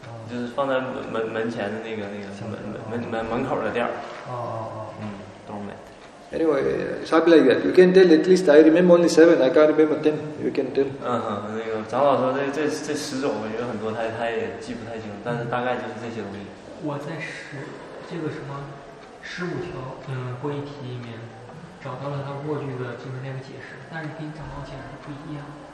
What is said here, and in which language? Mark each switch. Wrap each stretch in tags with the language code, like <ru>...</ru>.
<zh>就是放在门前的那个门口的垫儿。</zh> <en>Doormat. Anyway, something like that. You can tell at least. I remember only 7. I can't remember 10. You can tell.</en> <zh>那个长老说这十种，我觉得很多他也记不太清楚，但是大概就是这些东西。我在十五条会议题里面找到了他过去的就是那个解释，但是跟长老解释不一样。</zh>